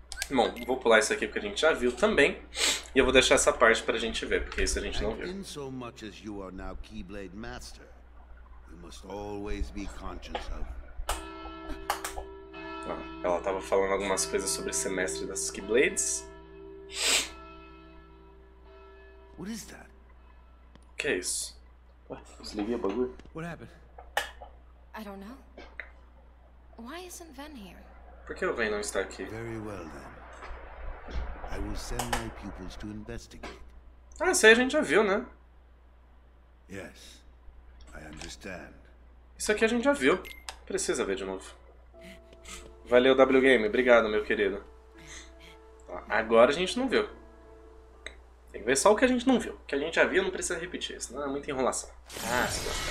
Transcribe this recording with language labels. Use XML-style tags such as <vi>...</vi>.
<pt>Bom, vou pular isso aqui porque a gente já viu também. E eu vou deixar essa parte pra gente ver, porque isso a gente não viu.</pt> <en>So much as you are now Keyblade Master, you must always be conscious of.</en> <pt>Ela tava falando algumas coisas sobre ser mestre das Keyblades.</pt> <en>What is that?</en> <pt>O que é isso? Desliguei o bagulho.</pt> <en>What happened? I don't know. Why isn't Ven here?</en> <pt>Por que o Ven não está aqui?</pt> <en>Very well then. I will send my pupils to investigate.</en> <pt>Ah, isso aí a gente já viu, né?</pt> <en>Yes, I understand.</en> <pt>Isso aqui a gente já viu. Precisa ver de novo. Valeu, W Game. Obrigado, meu querido. Agora a gente não viu. Tem que ver só o que a gente não viu. O que a gente já viu não precisa repetir, senão é muita enrolação. Ah, sim.</pt>